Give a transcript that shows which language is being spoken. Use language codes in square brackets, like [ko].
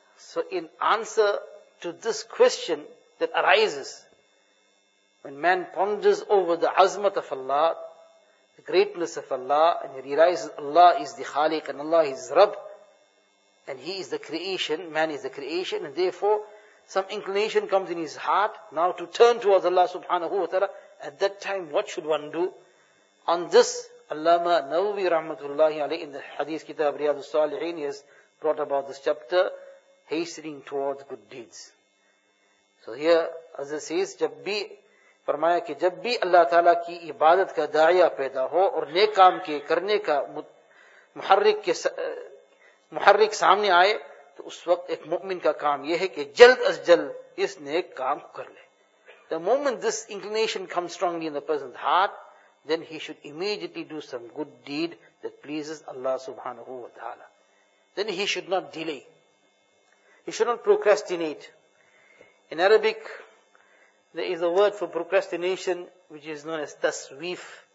[en] So an answer to this question that arises when man ponders over the عظمت of اللہ, the greatness of اللہ, and he realizes اللہ is the خالق and اللہ is رب and he is the creation, man is the creation, and therefore some inclination comes in his heart now to turn towards اللہ سبحانہ و تعالی, at that time what should one do? On this Allama Nawawi Rahmatullahi Alayhi in the Hadith Kitab Riyadus Salihin has brought about this chapter, hastening towards good deeds. So here, as it says, [ur] جب بھی فرمایا کہ جب بھی اللہ تعالیٰ کی عبادت کا داعیہ پیدا ہو اور نیک کام کے کرنے کا محرک سامنے آئے تو اس وقت ایک مومن کا کام یہ ہے کہ جلد از جلد اس نیک کام کو کر لے. [en] The moment this inclination comes strongly in the person's heart, then he should immediately do some good deed that pleases Allah subhanahu wa ta'ala. Then he should not delay. He should not procrastinate. In Arabic, there is a word for procrastination which is known as taswif.